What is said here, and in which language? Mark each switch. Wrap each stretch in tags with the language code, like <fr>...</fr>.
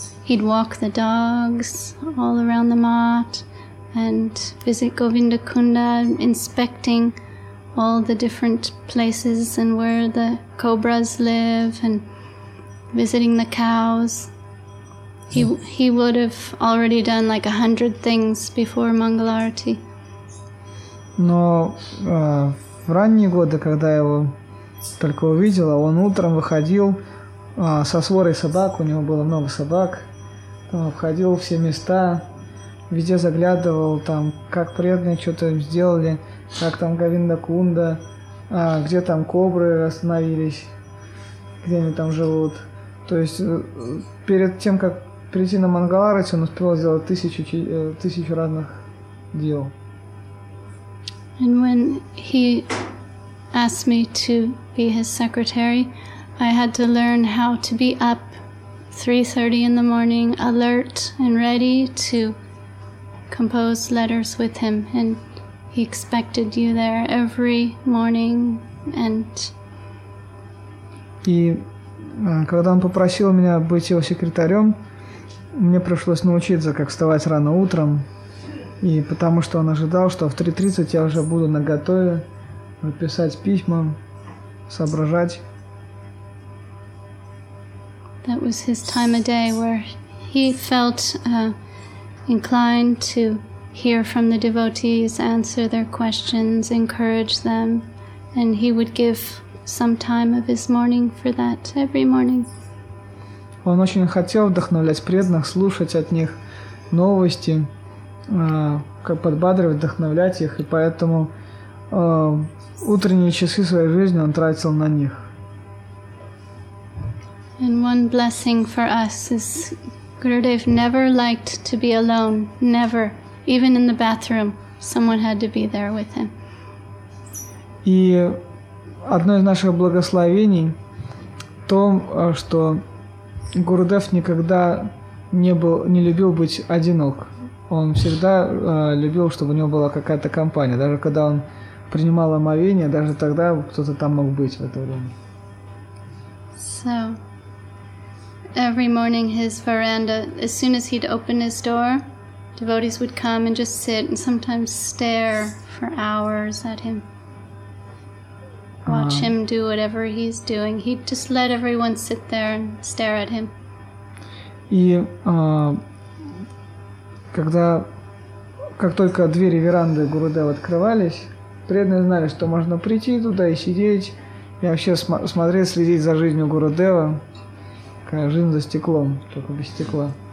<en>He'd walk the dogs all around the mat and visit Govindakunda, inspecting all the different places and where the cobras live and visiting the cows. He would have already done like 100 things before Mangalarti.</en> <ru>Но в ранние годы, когда я его только увидел, он утром выходил со сворой собак, у него было много собак. Там обходил все места, везде заглядывал, там, как преданные что-то им сделали, как там Говиндакунда, где там кобры остановились, где они там живут. То есть перед тем, как прийти на Мангаларати, он успел сделать тысячу разных дел.</ru> <en>And when he asked me to be his secretary, I had to learn how to be up 3:30 in the morning, alert and ready to compose letters with him. And he expected you there every morning. And</en> <ru>и когда он попросил меня быть его секретарем, мне пришлось научиться, как вставать рано утром. И потому что он ожидал, что в 3:30 я уже буду наготове писать письма, соображать.</ru> <en>That was his time of day where he felt inclined to hear from the devotees, answer their questions, encourage them, and he would give some time of his morning for that every morning.</en> <ru>Он очень хотел вдохновлять преданных, слушать от них новости, как подбадривать, вдохновлять их, и поэтому утренние часы своей жизни он тратил на них.</ru> <en>And one blessing for us is Gurudev never liked to be alone, never. Even in the bathroom, someone had to be there with him.</en> <ru>И одно из наших благословений то, что Гурудев никогда не любил быть одинок. Он всегда любил, чтобы у него была какая-то компания. Даже когда он принимал омовение, даже тогда кто-то там мог быть в это время.</ru> <en>So, every morning his veranda, as soon as he'd open his door, devotees would come and just sit and sometimes stare for hours at him. Watch him do whatever he's doing. He'd just let everyone sit there and stare at him.</en> <ru>И когда, как только двери веранды Гурудева открывались, преданные знали, что можно прийти туда и сидеть, и вообще смотреть, следить за жизнью Гурудева, какая жизнь за стеклом, только без стекла.</ru>